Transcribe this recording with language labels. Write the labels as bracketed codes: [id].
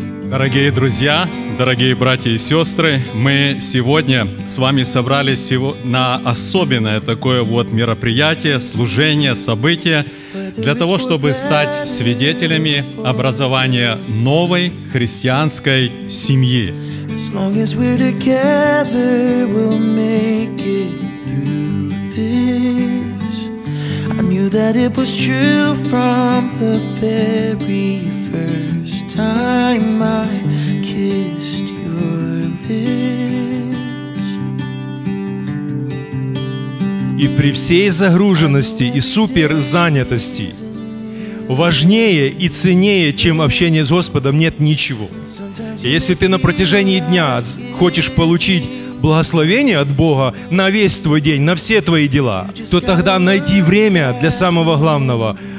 [ru] Дорогие друзья, дорогие братья и сестры, мы сегодня с вами собрались на особенное такое вот мероприятие, служение, событие для того, чтобы стать свидетелями образования новой христианской семьи. [en] As long as we're together, we'll make it through this. I knew that it was true from the very first time I kissed your lips. [ru] И при всей загруженности и суперзанятости важнее и ценнее, чем общение с Господом, нет ничего. И если ты на протяжении дня хочешь получить благословение от Бога на весь твой день, на все твои дела, то тогда найди время для самого главного.